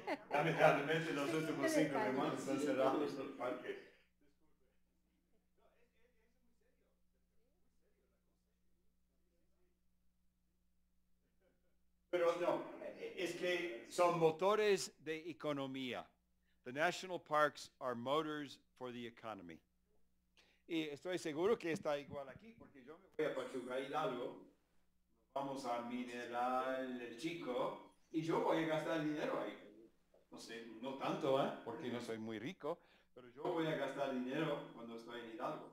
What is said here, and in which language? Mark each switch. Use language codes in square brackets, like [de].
[es] Lamentablemente los últimos 5 semanas han cerrado los parques. Pero no, es que son motores de economía. [en] The national parks are motors for the economy. [es] Y estoy seguro que está igual aquí, porque yo me voy a Pachuca Hidalgo, vamos a Mineral El Chico, y yo voy a gastar dinero ahí. No sé, no tanto, ¿eh? Porque no soy muy rico, pero yo voy a gastar dinero cuando estoy en Hidalgo.